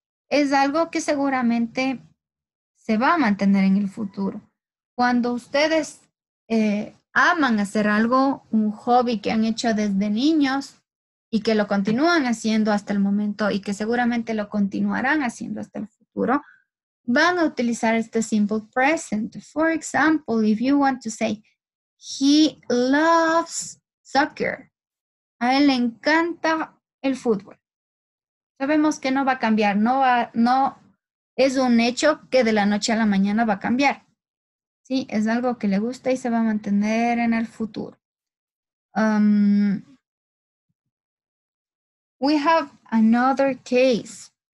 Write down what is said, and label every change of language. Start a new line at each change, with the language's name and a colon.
Spanish: Es algo que seguramente se va a mantener en el futuro. Cuando ustedes aman hacer algo, un hobby que han hecho desde niños y que lo continúan haciendo hasta el momento y que seguramente lo continuarán haciendo hasta el futuro, van a utilizar este simple present.
English: For example, if you want to say, he loves soccer.
Spanish: A él le encanta el fútbol. Sabemos que no va a cambiar, no es un hecho que de la noche a la mañana va a cambiar. Sí, es algo que le gusta y se va a mantener en el futuro.
English: We have another case.